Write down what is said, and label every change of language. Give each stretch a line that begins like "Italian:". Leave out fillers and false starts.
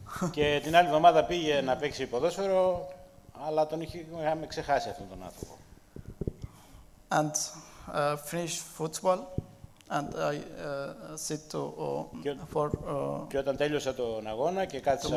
Greek: Και την άλλη εβδομάδα πήγε να παίξει ποδόσφαιρο, αλλά τον είχαμε ξεχάσει αυτόν τον άνθρωπο.
English: And finish football and I sit to for
Greek: και όταν τέλειωσα τον αγώνα και κάτσα